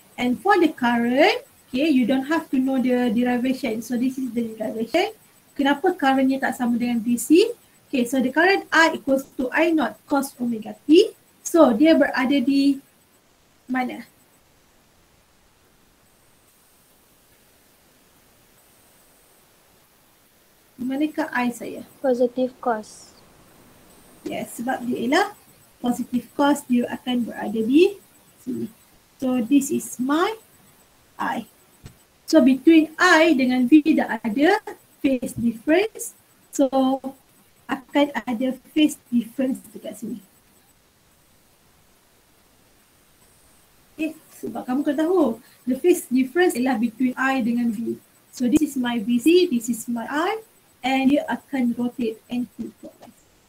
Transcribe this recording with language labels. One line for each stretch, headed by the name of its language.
English: And for the current, okay, you don't have to know the derivation. So this is the derivation.
Malay: Kenapa currentnya tak sama dengan VC?
English: Okay, so the current I equals to I naught cos omega T.
Malay: So, dia berada di mana? Manakah I saya?
English: Positive cos.
Malay: Yes, sebab dia ialah positive cos, dia akan berada di sini.
English: So, this is my I. So, between I dengan V
Malay: dah ada
English: phase difference.
Malay: So, akan ada phase difference dekat sini. Okay, sebab kamu kena tahu
English: the phase difference
Malay: ialah between I dengan V.
English: So this is my VC, this is my I and
Malay: dia akan
English: rotate anti-clockwise.